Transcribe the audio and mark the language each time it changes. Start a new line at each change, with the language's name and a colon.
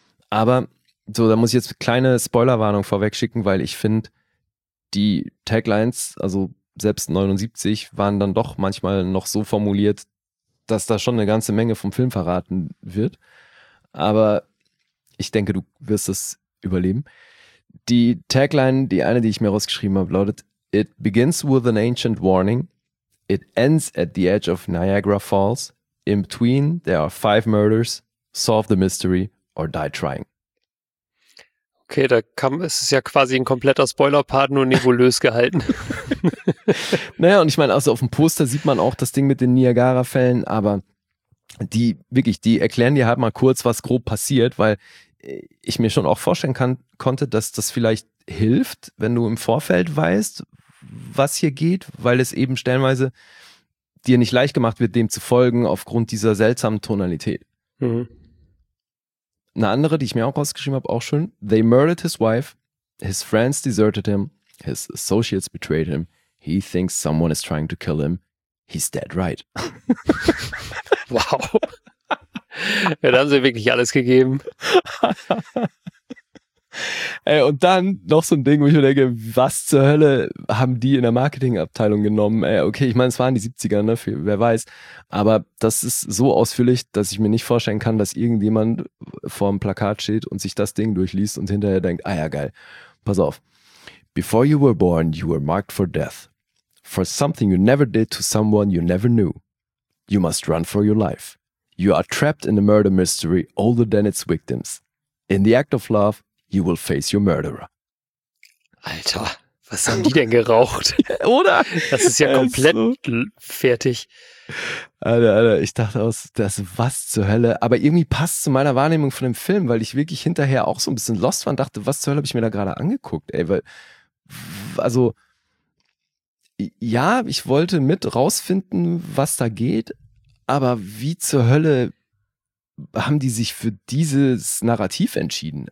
German: Aber so, da muss ich jetzt eine kleine Spoilerwarnung vorweg schicken, weil ich finde, die Taglines, also selbst 79 waren dann doch manchmal noch so formuliert, dass da schon eine ganze Menge vom Film verraten wird. Aber ich denke, du wirst es überleben. Die Tagline, die eine, die ich mir rausgeschrieben habe, lautet:
English: It begins with an ancient warning. It ends at the edge of Niagara Falls. In between, there are 5 murders. Solve the mystery or die trying.
German: Okay, da kam, es ist ja quasi ein kompletter Spoiler-Part, nur nebulös gehalten. Naja, und ich meine, also auf dem Poster sieht man auch das Ding mit den Niagara-Fällen, aber die wirklich, die erklären dir halt mal kurz, was grob passiert, weil ich mir schon auch vorstellen konnte, dass das vielleicht hilft, wenn du im Vorfeld weißt, was hier geht, weil es eben stellenweise dir nicht leicht gemacht wird, dem zu folgen, aufgrund dieser seltsamen Tonalität. Mhm. Eine andere, die ich mir auch rausgeschrieben habe, auch schön.
English: They murdered his wife. His friends deserted him. His associates betrayed him. He thinks someone is trying to kill him. He's dead right. Wow.
German: Ja, da haben sie wirklich alles gegeben. Ey, und dann noch so ein Ding, wo ich mir denke, was zur Hölle haben die in der Marketingabteilung genommen? Ey, okay, ich meine, es waren die 70er, ne? Wer weiß. Aber das ist so ausführlich, dass ich mir nicht vorstellen kann, dass irgendjemand vor dem Plakat steht und sich das Ding durchliest und hinterher denkt, ah ja, geil, pass auf.
English: Before you were born, you were marked for death. For something you never did to someone you never knew. You must run for your life. You are trapped in a murder mystery older than its victims. In the act of love, you will face your murderer.
German: Alter, was haben die denn geraucht? Oder? Das ist ja komplett fertig. Alter, ich dachte aus, das was zur Hölle. Aber irgendwie passt zu meiner Wahrnehmung von dem Film, weil ich wirklich hinterher auch so ein bisschen lost war und dachte, was zur Hölle habe ich mir da gerade angeguckt? Ey, weil, also, ja, ich wollte mit rausfinden, was da geht, aber wie zur Hölle haben die sich für dieses Narrativ entschieden?